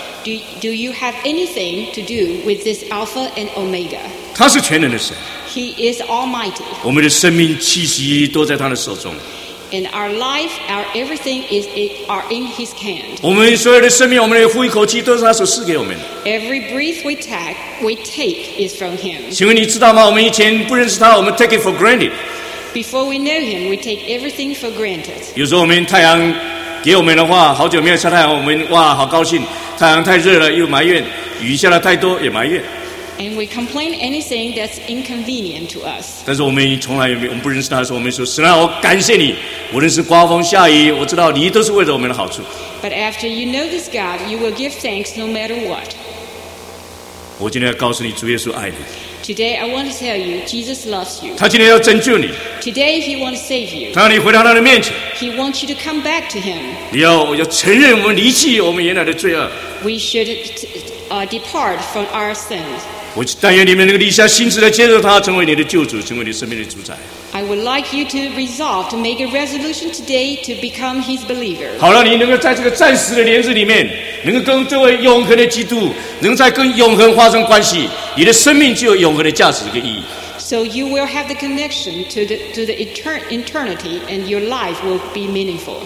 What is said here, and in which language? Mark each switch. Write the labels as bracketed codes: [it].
[en] Do you have anything to do with this Alpha and Omega? [zh] 他是全能的神。 [en] He is Almighty. [zh] 我们的生命气息都在他的手中。 [en] And our life, our everything is are in His hand. [zh] 我们所有的生命，我们的呼一口气，都是他所赐给我们。 [en] Every breath we take is from Him. [zh] 请问你知道吗？我们以前不认识他，我们 [en] take it for granted. Before we know Him, we take everything for granted. [zh] 有时候我们太阳给我们的话，好久没有晒太阳，我们哇，好高兴。太阳太热了又埋怨，雨下了太多也埋怨。 [en] And we complain anything that's inconvenient to us. [zh] 但是我们从来也没，我们不认识他的时候，我们说：“神啊，我感谢你，无论是刮风下雨，我知道你都是为了我们的好处。” [en] But after you know this God, you will give thanks no matter what. [zh] 我今天要告诉你，主耶稣爱你。 [en] Today I want to tell you, Jesus loves you. [zh] 他今天要拯救你。 [en] Today He wants to save you. [zh] 他让你回到他的面前。 [en] He wants you to come back to Him. [zh] 我要承认我们离弃我们原来的罪恶。 [en] We should depart from our sins. [zh] 我但愿你们能够立下心志来接受他，成为你的救主，成为你生命的主宰。 [en] I would like you to resolve to make a resolution today to become His believer. [zh] 好让你能够在这个暂时的帘子里面，能够跟这位永恒的基督，能在跟永恒发生关系，你的生命就有永恒的价值跟意义。 [en] So you will have the connection to the eternity, and your life will be meaningful.